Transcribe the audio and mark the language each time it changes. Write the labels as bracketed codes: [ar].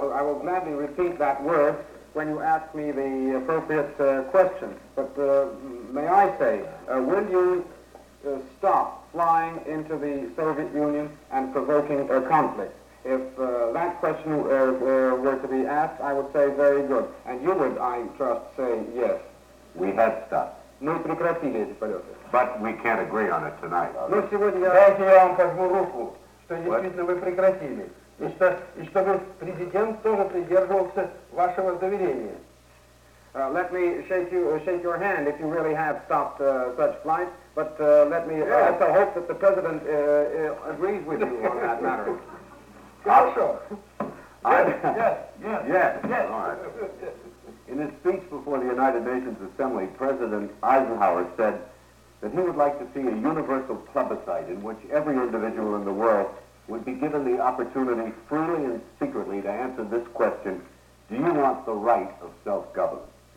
[en] I will gladly repeat that word when you ask me the appropriate question. But may I say, will you stop flying into the Soviet Union and provoking a conflict? If that question were to be asked, I would say very good. And you would, I trust, say yes. We have stopped. [ru] Мы прекратили эти полеты. [en] But we can't agree on it tonight. [ru] Ну сегодня дайте я вам пожму руку, что действительно вы прекратили. И чтобы президент тоже придерживался вашего заверения. [en] Let me shake your hand if you really have stopped such flights. But let me also hope that the president agrees with you on that matter. [ru] Хорошо. Yes. [en] All right. In his speech before the United Nations Assembly, President Eisenhower said that he would like to see a universal plebiscite in which every individual in the world would be given the opportunity freely and secretly to answer this question: do you want the right of self-government?